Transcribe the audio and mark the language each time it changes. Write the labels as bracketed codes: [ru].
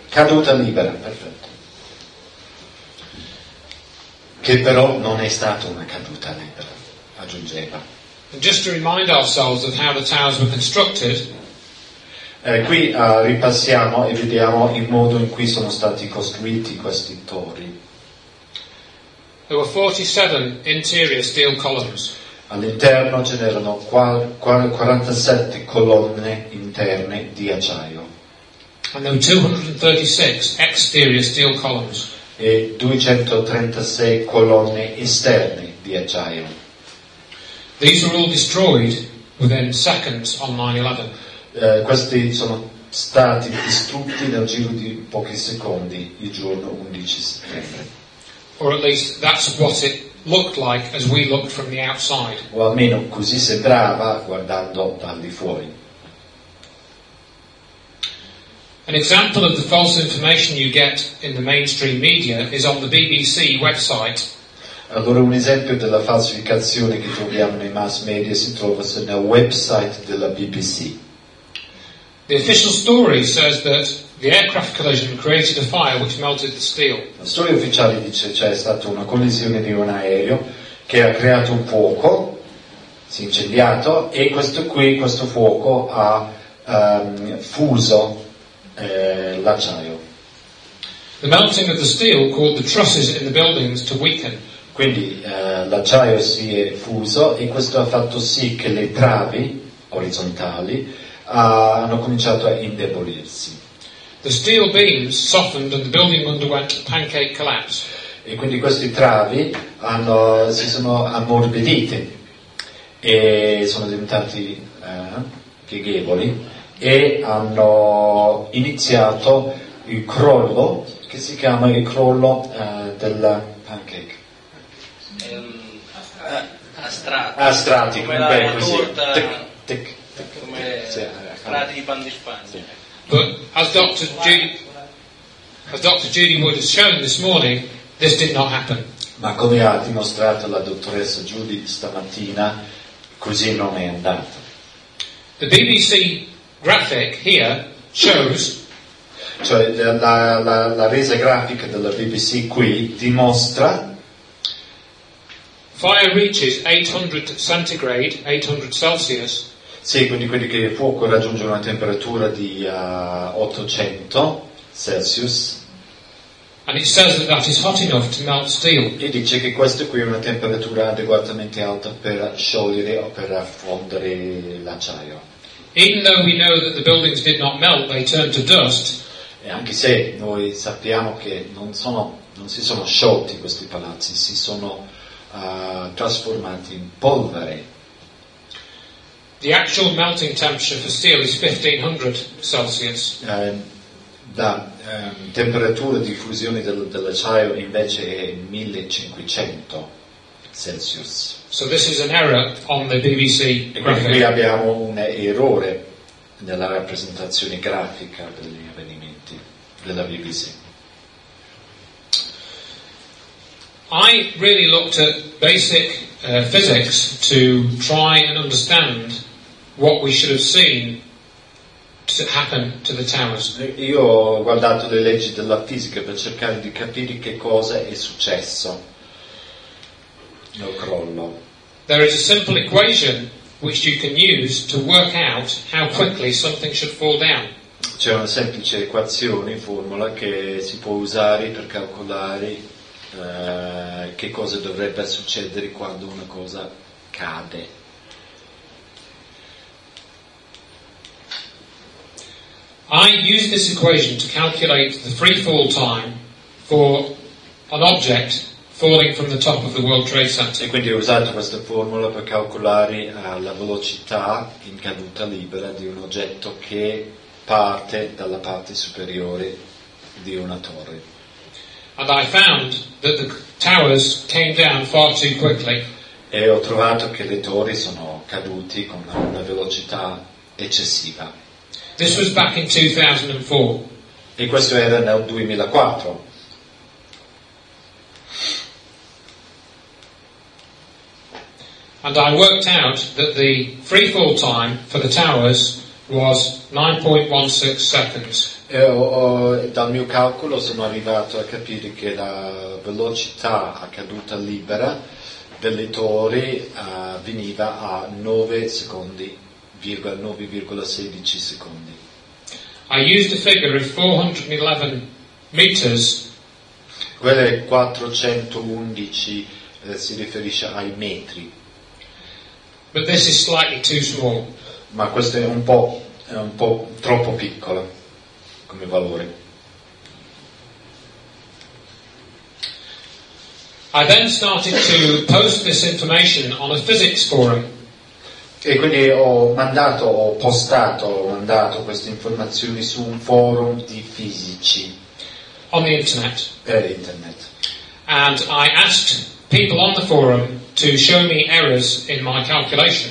[it] Caduta libera, perfetto. Che però non è stata una caduta libera, aggiungeva. [en] Just to remind ourselves of how the towers were constructed. [it] Qui ripassiamo e vediamo il modo in cui sono stati costruiti questi torri. [en] There were 47 interior steel columns. [it] All'interno ce n'erano 47 colonne interne di acciaio. [en] And there were 236 exterior steel columns. [it] E 236 colonne esterne di acciaio. [en] These were all destroyed within seconds on 9/11. [it] Questi sono stati distrutti nel giro di pochi secondi il giorno 11 settembre. [en] Or at least that's what it looked like as we looked from the outside. [it] O almeno così sembrava guardando dal di fuori. [en] An example of the false information you get in the mainstream media is on the BBC website. [it] Allora un esempio della falsificazione che troviamo nei mass media si trova sul website della BBC. [en] The official story says that the aircraft collision created a fire which melted the steel. [it] La storia ufficiale dice c'è stata una collisione di un aereo che ha creato un fuoco, si è incendiato e questo fuoco ha fuso l'acciaio. [en] The melting of the steel caused the trusses in the buildings to weaken. [it] Quindi l'acciaio si è fuso e questo ha fatto sì che le travi orizzontali hanno cominciato a indebolirsi. [en] The steel beams softened and the building underwent a pancake collapse. [it] E quindi queste travi si sono ammorbidite e sono diventati pieghevoli. E hanno iniziato il crollo che si chiama il crollo della pancake. A strati come la così. Torta tic, come strati di pan di Spagna. [en] But as Dr. Judy Wood has shown this morning, this did not happen. [it] Ma come ha dimostrato la dottoressa Judy stamattina, così non è andato. [en] The BBC graphic here shows, [it] cioè la resa grafica della BBC qui dimostra [en] Fire reaches 800 centigrade, 800 Celsius. [it] Sì, quindi quelli che il fuoco raggiunge una temperatura di 800 Celsius. [en] And it says that that is hot enough to melt steel. [it] E dice che questa qui è una temperatura adeguatamente alta per sciogliere o per fondere l'acciaio. [en] Even though we know that the buildings did not melt, they turned to dust. [it] E anche se noi sappiamo che non si sono sciolti questi palazzi, si sono trasformati in polvere. [en] The actual melting temperature for steel is 1500 Celsius. [it] La temperatura di fusione dell'acciaio invece è 1500 Celsius. [en] So this is an error on the BBC graphic. [it] E qui abbiamo un errore nella rappresentazione grafica degli avvenimenti della BBC. [en] I really looked at basic physics to try and understand what we should have seen to happen to the towers. [it] Io ho guardato le leggi della fisica per cercare di capire che cosa è successo nel crollo. [en] There is a simple equation which you can use to work out how quickly something should fall down. [it] C'è una semplice equazione, formula, che si può usare per calcolare che cosa dovrebbe succedere quando una cosa cade. [en] I use this equation to calculate the free fall time for an object falling from the top of the World Trade Center. [it] E quindi ho usato questa formula per calcolare la velocità in caduta libera di un oggetto che parte dalla parte superiore di una torre. [en] And I found that the towers came down far too quickly. [it] E ho trovato che le torri sono cadute con una velocità eccessiva. [en] This was back in 2004. [it] E questo era nel 2004. [en] And I worked out that the free fall time for the towers was 9.16 seconds. [it] E dal mio calcolo sono arrivato a capire che la velocità a caduta libera delle torri veniva a 9,16 secondi. [en] I used a figure of 411 meters. [it] Quello è 411, si riferisce ai metri. [en] But this is slightly too small. [it] Ma questo è un po' troppo piccolo come valore. [en] I then started to post this information on a physics forum. [it] E quindi ho mandato queste informazioni su un forum di fisici. [en] On the internet. [it] Per internet. [en] And I asked people on the forum to show me errors in my calculation.